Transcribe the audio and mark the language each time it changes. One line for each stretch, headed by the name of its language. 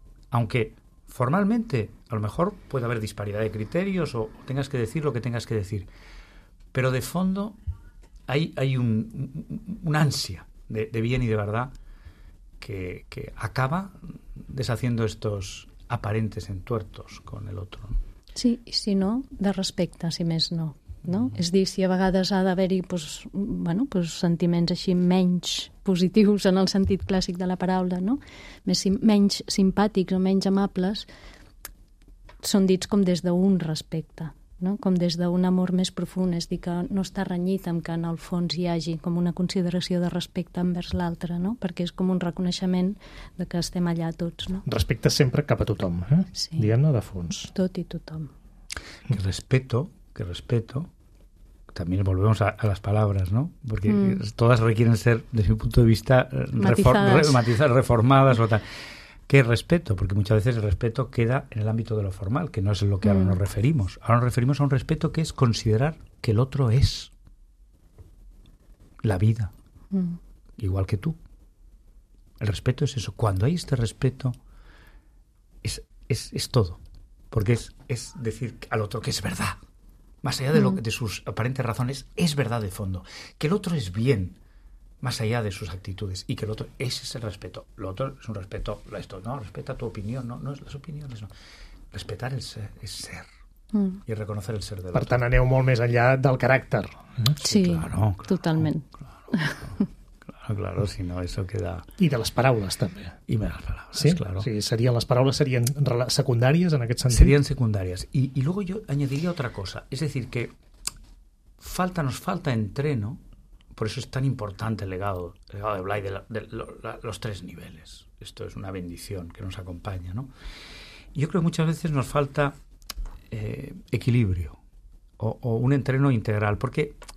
Spanish: Aunque formalmente a lo mejor puede haber disparidad de criterios o tengas que decir lo que tengas que decir. Pero de fondo hay un ansia de bien y de verdad que acaba deshaciendo estos aparentes entuertos con el otro.
Catalan: Sí, si no, de respecte, si més no. No? Mm. És dir, si a vegades ha d'haver-hi sentiments així menys positius en el sentit clàssic de la paraula, no? Menys simpàtics o menys amables, són dits com des d'un respecte, no? Com des d'un amor més profund, és dir, que no està renyit amb que en el fons hi hagi com una consideració de respecte envers l'altre, no? Perquè és com un reconeixement de que estem allà tots, no? Respecte sempre cap a tothom, sí. Diguem-ne de fons. Tot i tothom.
Spanish: Que respeto, también volvemos a las palabras, ¿no? Porque todas requieren ser, desde mi punto de vista, reformadas o tal. ¿Qué respeto? Porque muchas veces el respeto queda en el ámbito de lo formal, que no es lo que ahora nos referimos. Ahora nos referimos a un respeto que es considerar que el otro es la vida, igual que tú. El respeto es eso. Cuando hay este respeto, es todo. Porque es decir al otro que es verdad. Más allá de lo que, de sus aparentes razones, es verdad de fondo. Que el otro es bien, más allá de sus actitudes. Y que el otro, ese es el respeto. Lo otro es un respeto, esto, no, respeta tu opinión, no es las opiniones, no. Respetar el ser, es ser. Y reconocer el ser del
Catalan: otro. Per tant, aneu molt més enllà del caràcter. Sí, claro, totalment.
Spanish: Claro, si no, eso queda...
Catalan: I de les paraules, també. I de les paraules, sí? Claro. Sí, serien, les paraules serien secundàries, en aquest sentit? Serien secundàries.
Spanish: I luego yo añadiría otra cosa. Es decir, que nos falta entreno, por eso es tan importante el legado de Blay, de los tres niveles. Esto es una bendición que nos acompaña, ¿no? Yo creo que muchas veces nos falta equilibrio o un entreno integral, porque...